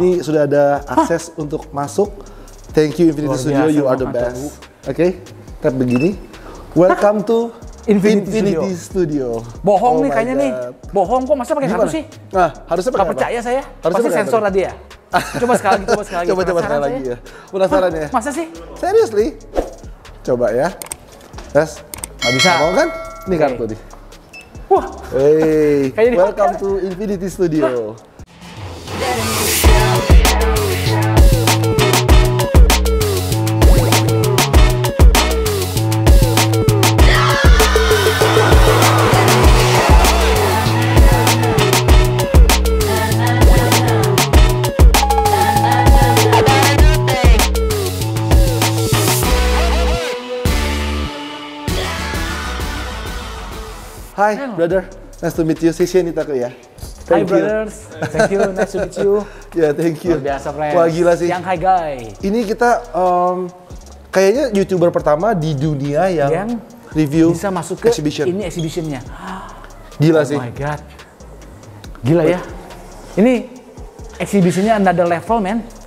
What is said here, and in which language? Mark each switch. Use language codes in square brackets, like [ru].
[id] Ini sudah ada akses untuk masuk. [en] Thank you Infinity Studio, you are the best. Oke, okay? [id] Tap begini. [en] Welcome to Infinity Studio. [id] Bohong nih kayaknya nih. Bohong kok, masa pakai kartu sih? Nah, harusnya pakai. Enggak percaya saya. Harusnya pasti sensor tadi ya. Coba sekali lagi, coba sekali lagi ya. Penasaran ya? Masa sih? Seriously? Coba ya. Tes. Enggak bisa. Bohong kan? Ini okay. Kartu nih. Wah. [en] Hey, welcome to Infinity Studio. Hi brother, nice to meet you. [id] Sisi ini takut ya. [en] Thank Hi you. Brothers, thank you, nice to meet you. Yeah, thank you. [id] Luar biasa friends. Wah gila sih. Yang hi guy. Ini kita kayaknya YouTuber pertama di dunia yang review bisa masuk ke [en] exhibition. [id] Ini exhibitionnya. Gila oh sih. [en] Oh my god. [id] Gila ya. [en] Ini exhibitionnya another level man.